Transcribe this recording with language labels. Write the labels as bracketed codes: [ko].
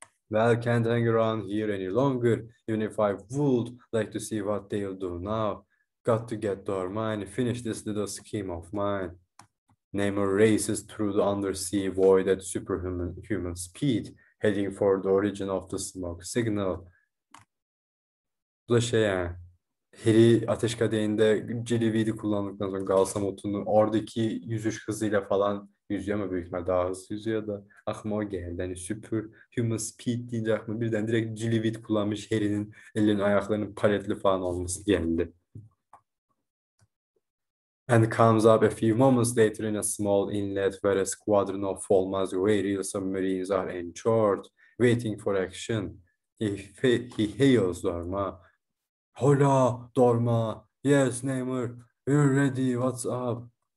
[en] Well, can't hang around here any longer, even if I would like to see what they'll do now. Got to get to our mine, finish this little scheme of mine. Namor races through the undersea void at superhuman speed, heading for the origin of the smoke signal. [tr] Bu da şey yani. Harry Ateş Kadehi'nde Jelly Weed'i kullandıktan sonra Galsamotu'nu oradaki yüzüş hızıyla falan yüzüyor ama büyük ihtimalle daha hızlı yüzüyor da aklıma o geldi. Hani süper human speed deyince aklıma birden direkt Jelly Weed kullanmış Harry'nin ellerinin ayaklarının paletli falan olması geldi. [en] And comes up a few moments later in a small inlet where a squadron of Falmaz Warrior submarines are anchored, waiting for action. He hails Dorma. Hola Dorma. Yes, Neymar. We're ready. What's up?